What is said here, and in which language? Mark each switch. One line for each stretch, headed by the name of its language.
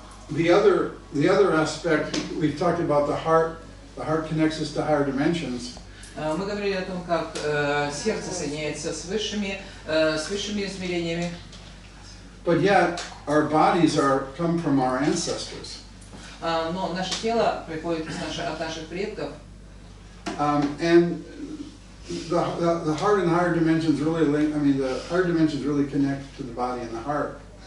English: The other aspect, we've talked about the heart connects us to higher dimensions.
Russian: Мы говорили о том, как сердце соединяется с высшими измерениями.
English: But yet, our bodies come from our ancestors.
Russian: Но наше тело приходит от наших предков.
English: And the heart and higher dimensions really link, I mean, the higher dimensions really connect to the body and the heart.